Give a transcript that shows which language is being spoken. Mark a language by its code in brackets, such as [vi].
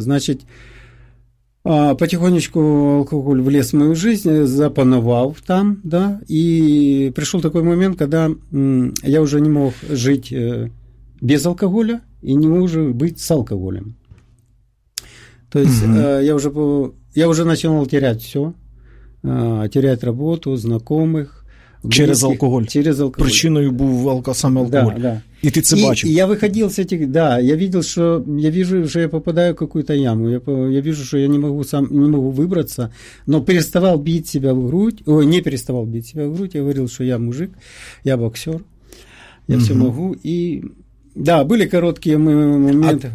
[ru] Значит, потихонечку алкоголь влез в мою жизнь, запановал там, да, и пришел такой момент, когда я уже не мог жить без алкоголя и не мог уже быть с алкоголем. То есть я уже начинал терять все. Терять работу, знакомых. Через алкоголь. [uk] Причиною був саме алкоголь. [ru] Да, да. [uk] И ты це бачив. [ru] И я выходил с этих... Да, я видел, что... Я вижу, что я попадаю в какую-то яму. Я вижу, что я не могу выбраться. Но переставал бить себя в грудь. Ой, не переставал бить себя в грудь. Я говорил, что я мужик, я боксер. Я все могу. И... Да, были короткие моменты.